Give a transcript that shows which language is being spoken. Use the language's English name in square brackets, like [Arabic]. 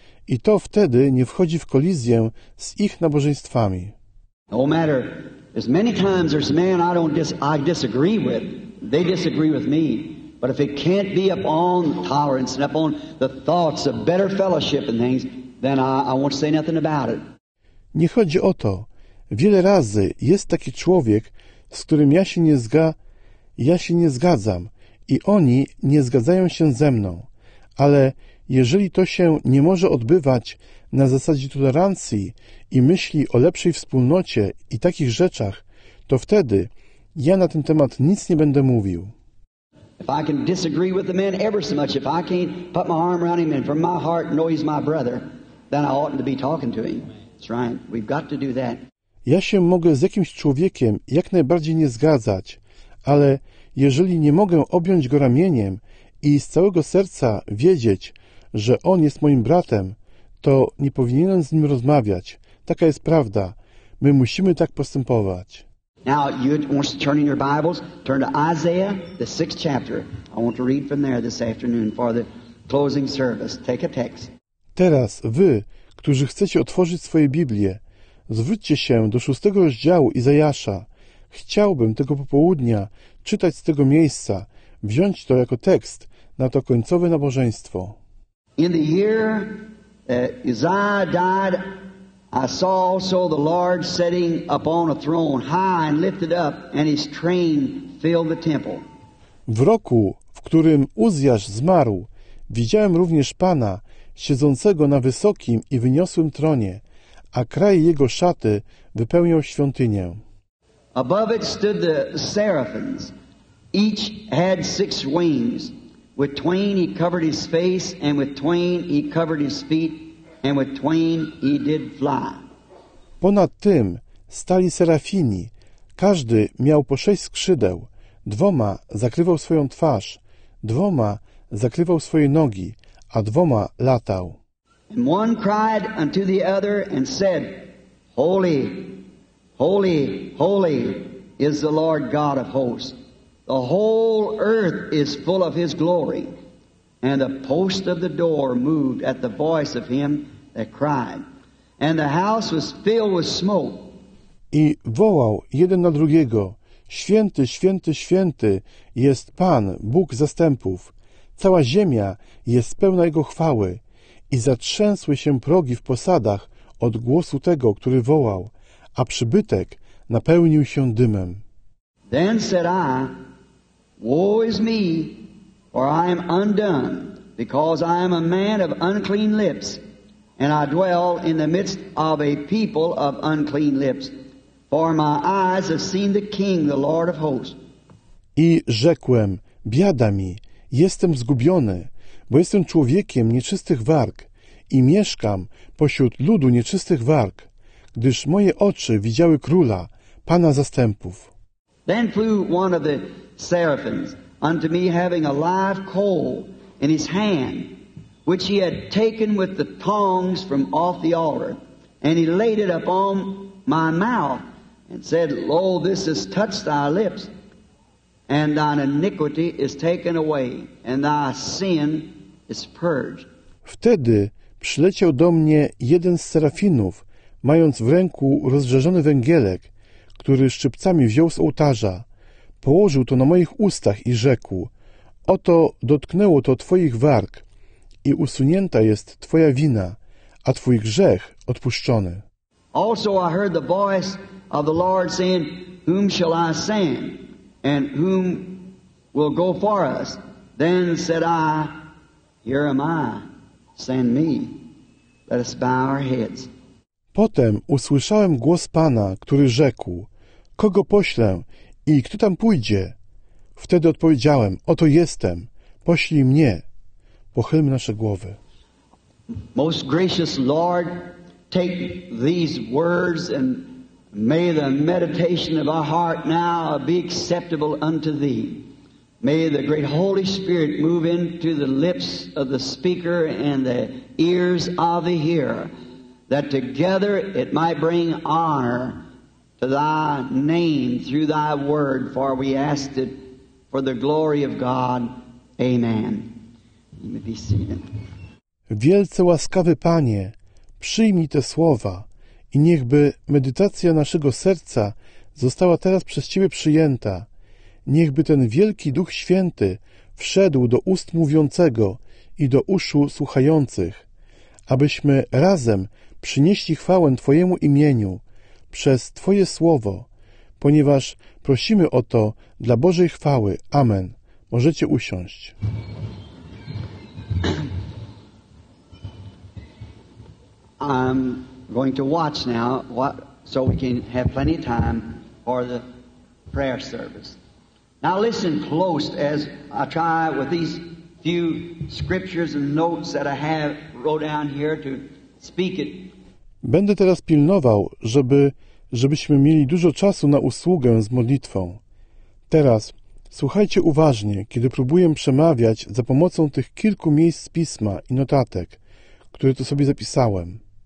[Polish] I to wtedy nie wchodzi w kolizję z ich nabożeństwami. [English] No matter, as many times there's a man I disagree with, they disagree with me. But if it can't be upon tolerance and upon the thoughts of better fellowship and things, then I won't say nothing about it. [Polish] Nie chodzi o to. Wiele razy jest taki człowiek, z którym ja się nie zgadzam i oni nie zgadzają się ze mną, ale jeżeli to się nie może odbywać na zasadzie tolerancji i myśli o lepszej wspólnocie i takich rzeczach, to wtedy ja na ten temat nic nie będę mówił. [English] If I can disagree with the man ever so much, if I can't put my arm around him and from my heart know he's my brother, then I oughtn't to be talking to him. That's right. We've got to do that. [Polish] Ja się mogę z jakimś człowiekiem jak najbardziej nie zgadzać, ale jeżeli nie mogę objąć go ramieniem i z całego serca wiedzieć, że on jest moim bratem, to nie powinienem z nim rozmawiać. Taka jest prawda. My musimy tak postępować. [English] Now, you want to turn in your Bibles, turn to Isaiah, the 6th chapter. I want to read from there this afternoon for the closing service. Take a text. [Polish] Teraz wy, którzy chcecie otworzyć swoje Biblię, zwróćcie się do 6 rozdziału Izajasza. Chciałbym tego popołudnia czytać z tego miejsca, wziąć to jako tekst na to końcowe nabożeństwo. [English] In the year Uzziah died, I saw also the Lord sitting upon a throne, high and lifted up, and his train filled the temple. [Polish] W roku, w którym Uzziasz zmarł, widziałem również Pana, siedzącego na wysokim i wyniosłym tronie, a kraj jego szaty wypełniał świątynię. [English] Above it stood the seraphims. Each had six wings. With twain he covered his face, and with twain he covered his feet, and with twain he did fly. [Polish] Ponad tym stali serafini. Każdy miał po 6 skrzydeł. Dwoma zakrywał swoją twarz, dwoma zakrywał swoje nogi, a dwoma latał. [English] And one cried unto the other and said, Holy, holy, holy is the Lord God of hosts. The whole earth is full of his glory. And the post of the door moved at the voice of him that cried. And the house was filled with smoke. [Polish] I wołał jeden na drugiego, Święty, święty, święty jest Pan, Bóg zastępów. Cała ziemia jest pełna jego chwały. I zatrzęsły się progi w posadach od głosu tego, który wołał, a przybytek napełnił się dymem. [English] Then said I, Woe is me, for I am undone, because I am a man of unclean lips, and I dwell in the midst of a people of unclean lips, for my eyes have seen the King, the Lord of hosts. [Polish] I rzekłem, biada mi, jestem zgubiony, bo jestem człowiekiem nieczystych warg i mieszkam pośród ludu nieczystych warg, gdyż moje oczy widziały Króla, Pana zastępów. [English] Then flew one of the seraphims unto me, having a live coal in his hand, which he had taken with the tongs from off the altar, and he laid it upon my mouth, and said, Lo, this has touched thy lips, and thine iniquity is taken away, and thy sin is purged. [Polish] Wtedy przyleciał do mnie jeden z serafinów, mając w ręku rozżarzony węgielek, który szczypcami wziął z ołtarza. Położył to na moich ustach i rzekł, Oto dotknęło to twoich warg i usunięta jest twoja wina, a twój grzech odpuszczony. [English] Also I heard the voice of the Lord saying, Whom shall I send, and whom will go for us? Then said I, Here am I, send me. Let us bow our heads. [Polish] Potem usłyszałem głos Pana, który rzekł, Kogo poślę? I kto tam pójdzie? Wtedy odpowiedziałem, oto jestem, poślij mnie. Pochylmy nasze głowy. [English] Most gracious Lord, take these words and may the meditation of our heart now be acceptable unto thee. May the great Holy Spirit move into the lips of the speaker and the ears of the hearer, that together it might bring honor to thy name through thy word, for we asked it for the glory of God. Amen. You may be seated. [Polish] Wielce łaskawy Panie, przyjmij te słowa i niechby medytacja naszego serca została teraz przez Ciebie przyjęta. Niechby ten wielki Duch Święty wszedł do ust mówiącego i do uszu słuchających, abyśmy razem przynieśli chwałę Twojemu imieniu przez Twoje słowo, ponieważ prosimy o to dla Bożej chwały. Amen. Możecie usiąść. [English] I'm going to watch now what, so we can have plenty of time for the prayer service. Now listen close as I try with these few scriptures and notes that I have wrote down here to speak it. [Polish] Będę teraz pilnował, żebyśmy mieli dużo czasu na usługę z modlitwą. Teraz słuchajcie uważnie, kiedy próbuję przemawiać za pomocą tych kilku miejsc pisma i notatek, które tu sobie zapisałem.